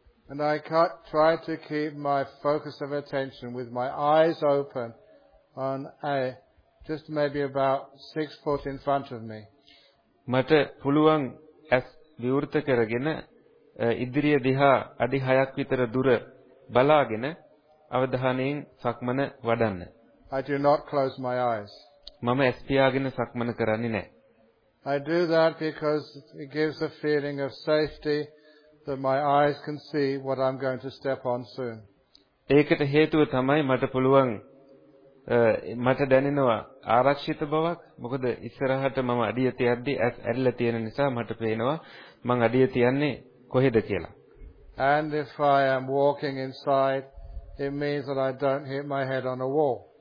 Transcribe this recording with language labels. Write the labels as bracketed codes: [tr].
[en] And I try to keep my focus of attention with my eyes open on a just maybe about 6 foot in front of me. [si] මට පුළුවන් ඇස් විවෘත කරගෙන ඉදිරිය දිහා අඩි 6ක් විතර දුර බලාගෙන අවධානයෙන් සක්මන වඩන්න. [en] I do not close my eyes. [si] මම ඇස් පියාගෙන සක්මන කරන්නේ නැහැ. [en] I do that because it gives a feeling of safety that my eyes can see what I'm going to step on soon. [si] ඒකට හේතුව තමයි මට පුළුවන් මට දැනෙනවා ආරක්ෂිත බවක්. මොකද ඉස්සරහට මම අඩිය තියද්දී ඇස් ඇරිලා තියෙන නිසා මට පේනවා මං අඩිය තියන්නේ කොහෙද කියලා. [en] And if I am walking inside, it means that I don't hit my head on a wall.